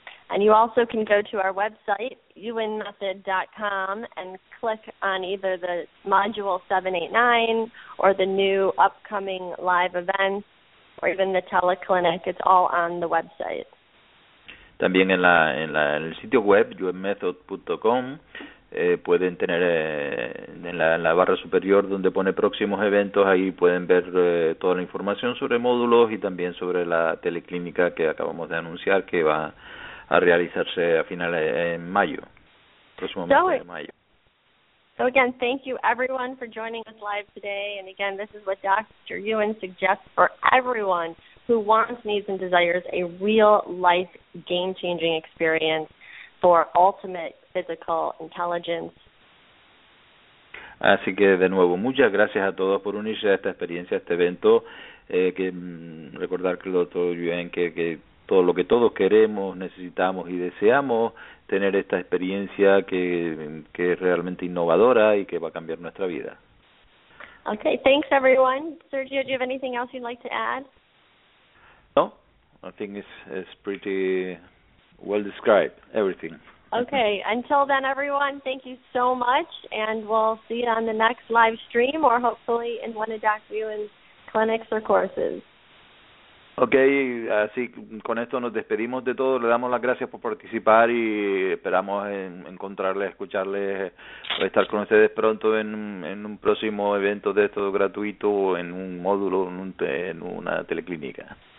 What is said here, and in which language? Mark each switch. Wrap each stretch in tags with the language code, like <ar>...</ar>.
<en>And you also can go to our website, unmethod.com, and click on either the module 789 or the new upcoming live events or even the teleclinic. It's all on the website.</en> <es>También en el sitio web, unmethod.com, pueden tener en la barra superior donde pone próximos eventos, ahí pueden ver toda la información sobre módulos y también sobre la teleclínica que acabamos de anunciar que va a realizarse a finales en mayo, próximo mes de mayo.</es> <en>So again, thank you everyone for joining us live today. And again, this is what Dr. Yuen suggests for everyone who wants, needs, and desires a real life game-changing experience for ultimate physical intelligence.</en> <es>Así que de nuevo, muchas gracias a todos por unirse a esta experiencia, a este evento. Recordar que el doctor Yuen, que todo lo que todos queremos, necesitamos y deseamos tener esta experiencia que es realmente innovadora y que va a cambiar nuestra vida.</es> <en>Okay, thanks everyone. Sergio, do you have anything else you'd like to add? No, I think it's pretty well described, everything. Okay, until then everyone, thank you so much, and we'll see you on the next live stream or hopefully in one of Dr. Yuen's clinics or courses.</en> <es>Okay, así con esto nos despedimos de todos, le damos las gracias por participar y esperamos encontrarles, escucharles, estar con ustedes pronto en un próximo evento de esto gratuito o en un módulo, en una teleclínica.</es>